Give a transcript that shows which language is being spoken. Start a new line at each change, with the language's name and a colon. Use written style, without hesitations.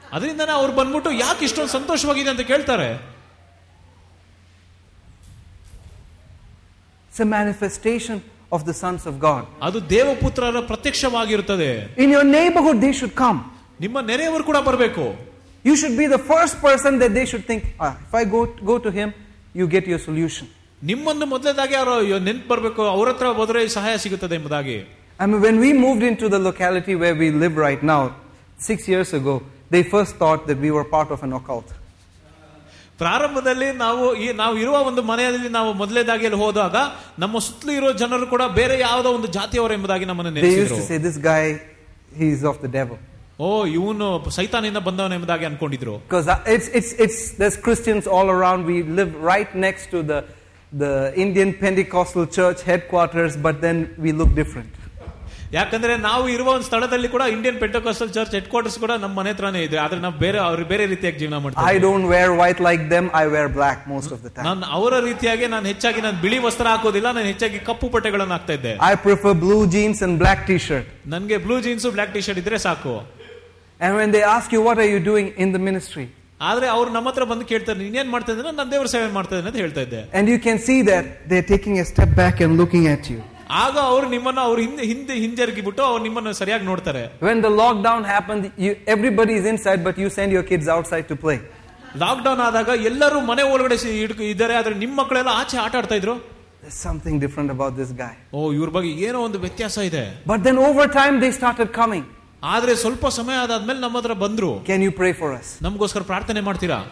Kannada: ಅದರಿಂದ ಅವ್ರು ಬಂದ್ಬಿಟ್ಟು ಯಾಕೆ ಇಷ್ಟೊಂದು ಸಂತೋಷವಾಗಿದೆ ಅಂತ ಕೇಳ್ತಾರೆ.
English: It's a manifestation of the sons of God.
Kannada: ಅದು ದೇವಪುತ್ರರ ಪ್ರತ್ಯಕ್ಷವಾಗಿರುತ್ತದೆ.
English: In your neighborhood they should come.
Kannada: ನಿಮ್ಮ ನೆರೆಯವರು ಕೂಡ ಬರಬೇಕು.
English: You should be the first person that they should think, if I go to him, you get your solution.
Kannada: ನಿಮ್ಮನ್ನು ಮೊದಲದಾಗಿ ಅವರು ನೆನಪು ಬರಬೇಕು, ಅವ್ರ ಹತ್ರ ಹೋದ್ರೆ ಸಹಾಯ ಸಿಗುತ್ತದೆ ಎಂಬುದಾಗಿ.
English: I mean, when we moved into the locality where we live right now, 6 years ago, they first thought that we were part of an occult.
Kannada: ಪ್ರಾರಂಭದಲ್ಲಿ ನಾವು ಈ ನಾವು ಇರುವ ಒಂದು ಮನೆಯಲ್ಲಿ ನಾವು ಮೊದಲೇದಾಗಿ ಅಲ್ಲಿ ಹೋದಾಗ ನಮ್ಮ ಸುತ್ತಲೂ ಇರೋ ಜನರು ಕೂಡ ಬೇರೆ ಯಾವುದೋ ಒಂದು ಜಾತಿಯವರು ಎಂಬುದಾಗಿ ನಮ್ಮನ್ನು ನೆನೆಸಿದರು. ಓ ಇವನು ಸೈತಾನಿಂದ ಬಂದವನು ಎಂಬುದಾಗಿ ಅನ್ಕೊಂಡಿದ್ರು.
English: There's Christians all around. We live right next to the Indian Pentecostal Church headquarters, but then we look different.
Kannada: ಯಾಕಂದ್ರೆ ನಾವು ಇರುವ ಒಂದು ಸ್ಥಳದಲ್ಲಿ ಕೂಡ ಇಂಡಿಯನ್ ಪೆಂಟೆಕೋಸ್ಟಲ್ ಚರ್ಚ್ ಹೆಡ್ ಕ್ವಾರ್ಟರ್ಸ್ ಕೂಡ ನಮ್ಮ ಮನೆ ಹತ್ರನೇ ಇದೆ. ಆದ್ರೆ ನಾವು ಬೇರೆ ಅವ್ರು ಬೇರೆ ರೀತಿಯಾಗಿ ಜೀವನ ಮಾಡ್ತೀವಿ.
English: I don't wear white like them, I wear black most of the time.
Kannada: ನಾನು ಅವರ ರೀತಿಯಾಗಿ ನಾನು ಹೆಚ್ಚಾಗಿ ನಾನು ಬಿಳಿ ವಸ್ತ್ರ ಹಾಕೋದಿಲ್ಲ, ನಾನು ಹೆಚ್ಚಾಗಿ ಕಪ್ಪು ಬಟ್ಟೆಗಳನ್ನು ಹಾಕ್ತಾ ಇದ್ದೆ.
English: I prefer blue jeans and black T shirt.
Kannada: ನನಗೆ blue jeans block T shirt ಇದ್ರೆ ಸಾಕು.
English: and when they ask you what are you doing in the ministry,
Kannada: ಆದ್ರೆ ಅವ್ರು ನಮ್ಮ ಹತ್ರ ಬಂದು ಕೇಳ್ತಾರೆ ನೀನ್ ಏನ್ ಮಾಡ್ತಾ ಇದ್ದೀನಿ, ನಾನು ದೇವರ ಸೇವೆ ಮಾಡ್ತಾ ಇದ್ದೇನೆ ಅಂತ ಹೇಳ್ತಾ ಇದ್ದೆ.
English: And you can see that they are taking a step back and looking at you.
Kannada: ಆಗ ಅವರು ನಿಮ್ಮನ್ನ ಅವ್ರ ಹಿಂದೆ ಬಿಟ್ಟು ಅವ್ರು ನಿಮ್ಮನ್ನು ಸರಿಯಾಗಿ ನೋಡ್ತಾರೆ.
English: When the lockdown happened, everybody is inside but you send your kids outside to play.
Kannada: Lockdown ಆದಾಗ ಎಲ್ಲರೂ ಮನೆ ಒಳಗಡೆ ಇದ್ದಾರೆ, ಆದ್ರೆ ನಿಮ್ಮ ಮಕ್ಕಳೆಲ್ಲ ಆಚೆ ಆಟ ಆಡ್ತಾ ಇದ್ರು.
English: There's something different about this guy.
Kannada: ಓ ಇವ್ರ ಬಗ್ಗೆ ಏನೋ ಒಂದು ವ್ಯತ್ಯಾಸ ಇದೆ.
English: But then over time they started coming.
Kannada: ಆದ್ರೆ ಸ್ವಲ್ಪ ಸಮಯ ಆದಾದ್ಮೇಲೆ ನಮ್ಮ ಹತ್ರ ಬಂದ್ರು.
English: Can you pray for us?
Kannada: ನಮಗೋಸ್ಕರ ಪ್ರಾರ್ಥನೆ ಮಾಡ್ತೀರಾ?